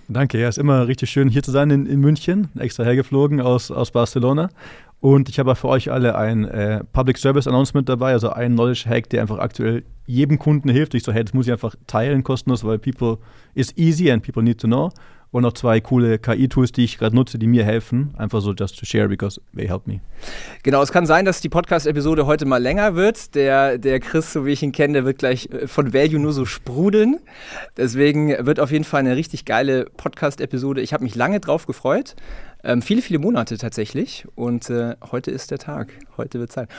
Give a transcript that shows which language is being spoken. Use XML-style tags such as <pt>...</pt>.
<de>Danke, ja, ist immer richtig schön, hier zu sein in München, extra hergeflogen aus Barcelona. Und ich habe für euch alle ein Public Service Announcement dabei, also ein Knowledge Hack, der einfach aktuell jedem Kunden hilft. Ich so, hey, das muss ich einfach teilen kostenlos, weil</de> <en>people is easy and people need to know.</en> <de>Und noch 2 coole KI-Tools, die ich gerade nutze, die mir helfen. Einfach so</de> <en>just to share, because they help me.</en> <de>Genau, es kann sein, dass die Podcast-Episode heute mal länger wird. Der Chris, so wie ich ihn kenne, der wird gleich von Value nur so sprudeln. Deswegen wird auf jeden Fall eine richtig geile Podcast-Episode. Ich habe mich lange drauf gefreut. Viele, viele Monate tatsächlich. Und heute ist der Tag. Heute wird es sein.</de>